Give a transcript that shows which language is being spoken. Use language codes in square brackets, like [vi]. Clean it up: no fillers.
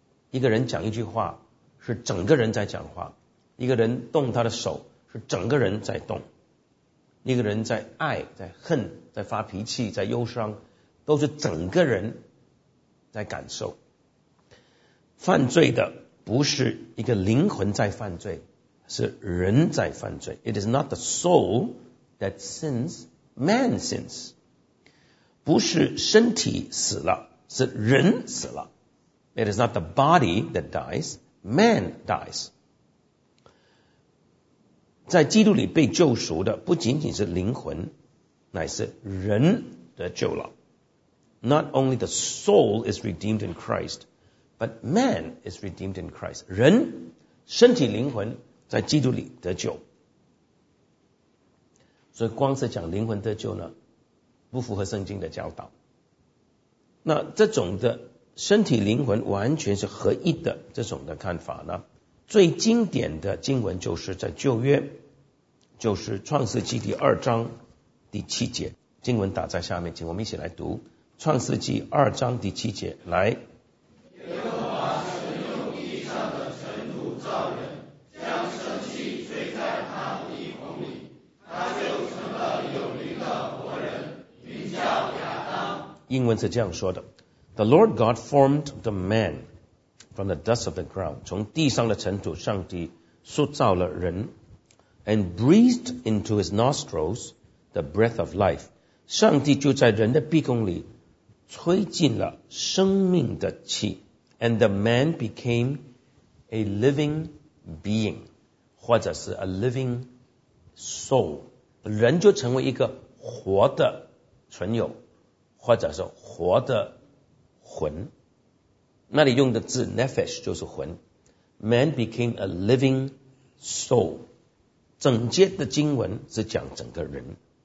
[zh] 一个人讲一句话，是整个人在讲话。一个人动他的手，是整个人在动。一个人在爱、在恨、在发脾气、在忧伤，都是整个人在感受。犯罪的不是一个灵魂在犯罪，是人在犯罪。 [en] It is not the soul that sins, man sins. [zh] 不是身体死了，是人死了。 [en] It is not the body that dies, man dies. [zh] 在基督里被救赎的不仅仅是灵魂，乃是人的救了。 [en] Not only the soul is redeemed in Christ, but man is redeemed in Christ. [zh] 人身体灵魂在基督里得救。所以光是讲灵魂得救呢，不符合圣经的教导。那这种的身体灵魂完全是合一的这种的看法呢，最经典的经文就是在旧约，就是创世纪第二章第七节，经文打在下面，请我们一起来读创世纪二章第七节。来，英文是这样说的， [en] The Lord God formed the manFrom the dust of the ground, [zh] 从地上的尘土，上帝塑造了人。 [en] And breathed into his nostrils the breath of life. [zh] 上帝就在人的鼻孔里吹进了生命的气。 [en] And the man became a living being, [zh] 或者是 [en] a living soul. [zh] 人就成为一个活的存有，或者是活的魂。那里用的字 nephesh 就是魂。 [en] Man became a living soul。 [zh] 整节的经文是讲整个人。